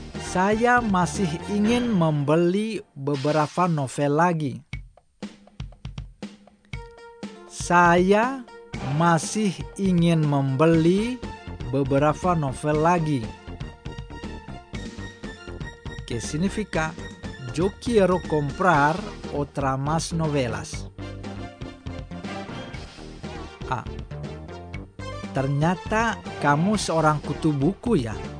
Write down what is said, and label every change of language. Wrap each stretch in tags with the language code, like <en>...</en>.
<id>Saya masih ingin membeli beberapa novel lagi. Saya masih ingin membeli beberapa novel lagi.</id> <es>¿Qué significa? Yo quiero comprar otra más novelas. A.</es> <id>Ternyata kamu seorang kutu buku ya.</id>